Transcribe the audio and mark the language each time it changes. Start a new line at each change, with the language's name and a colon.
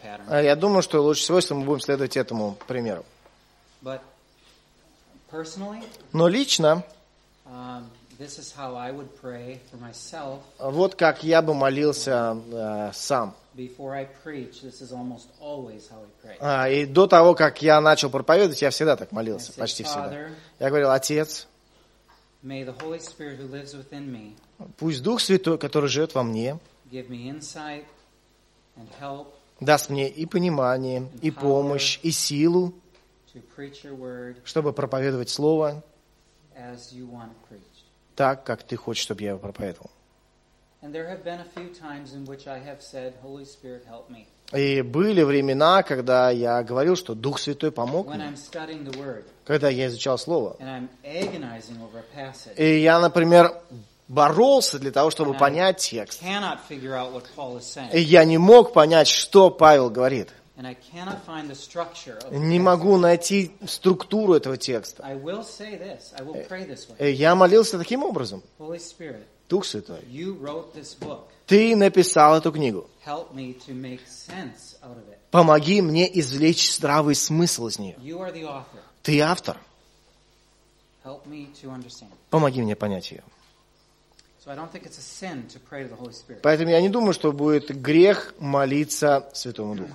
Russian: Я думаю, что лучше всего, если мы будем следовать этому примеру. Но лично, вот как я бы молился сам.
English: Before I preach, this is almost always how I pray.
Russian: И до того, как я начал проповедовать, я всегда так молился,
English: said,
Russian: почти всегда. Я говорил, Отец,
English: may the Holy Spirit who lives within me,
Russian: пусть Дух Святой, который живет во мне,
English: give me insight and help,
Russian: даст мне и понимание, и помощь, и силу,
English: to preach your word,
Russian: чтобы проповедовать Слово
English: as you want to preach.
Russian: Так, как Ты хочешь, чтобы я его проповедовал.
English: And there have been a few times in which I have said, "Holy Spirit, help me."
Russian: И были времена, когда я говорил, что Дух Святой помог мне.
English: When I'm studying the word.
Russian: Когда я изучал слово.
English: And I'm agonizing over a passage.
Russian: И я, например, боролся для того, чтобы понять текст.
English: I cannot figure out what Paul is saying.
Russian: И я не мог понять, что Павел говорит.
English: And I cannot find the structure of the text.
Russian: Не могу найти структуру этого текста.
English: I will say this. I will pray this way.
Russian: И я молился таким образом.
English: Holy Spirit.
Russian: Дух Святой, Ты ты написал эту книгу.
English: Help me to make sense out of it.
Russian: Помоги мне извлечь здравый смысл из нее.
English: You are the author.
Russian: Ты автор.
English: Help me to understand.
Russian: Помоги мне понять ее.
English: So I don't think it's a sin to pray to the Holy Spirit.
Russian: Поэтому я не думаю, что будет грех молиться Святому Духу.